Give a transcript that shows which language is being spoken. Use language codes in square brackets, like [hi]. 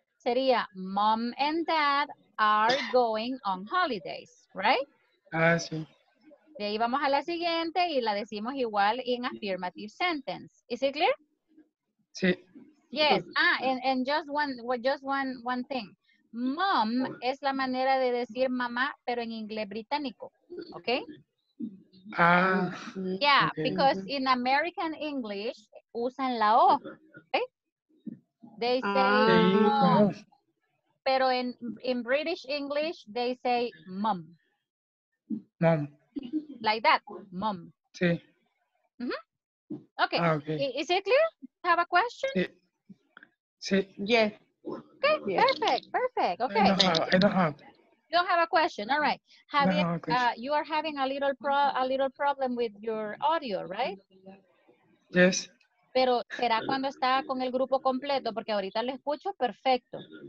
[es] Sería, [en] mom and dad are going on holidays, right? [es] Ah, sí. De ahí vamos a la siguiente y la decimos igual [en] in affirmative sentence. Is it clear? [es] Sí. [en] Yes. Ah, and just one thing. [es] Mom es la manera de decir mamá, pero en inglés británico, okay? Ah. [en] Yeah, okay. Because in American English [es] usan la O, [en] okay? They say mom, pero in British English, they say mom. Mom. Like that, mom. [es] Sí. [en] Mm-hmm. Okay. Okay, is it clear? Have a question? [es] Sí. [en] Yes. Okay, yes. Perfect, okay. I don't have. You don't have a question, all right. You are having a little problem with your audio, right? Yes. [es] Pero será cuando está con el grupo completo, porque ahorita lo escucho perfecto.